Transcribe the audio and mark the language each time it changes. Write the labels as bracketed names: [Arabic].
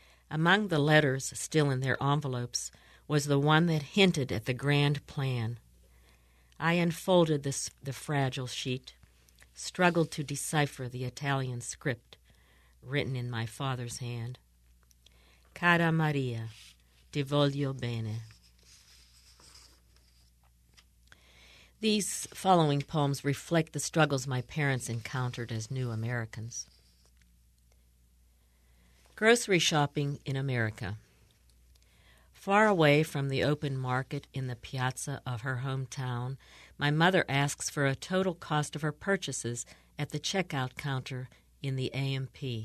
[English] Among the letters still in their envelopes was the one that hinted at the grand plan. I unfolded the fragile sheet, struggled to decipher the Italian script, written in my father's hand. [Italian] Cara Maria, ti voglio bene. [English] These following poems reflect the struggles my parents encountered as new Americans. Grocery shopping in America. Far away from the open market in the piazza of her hometown, my mother asks for a total cost of her purchases at the checkout counter in the AMP.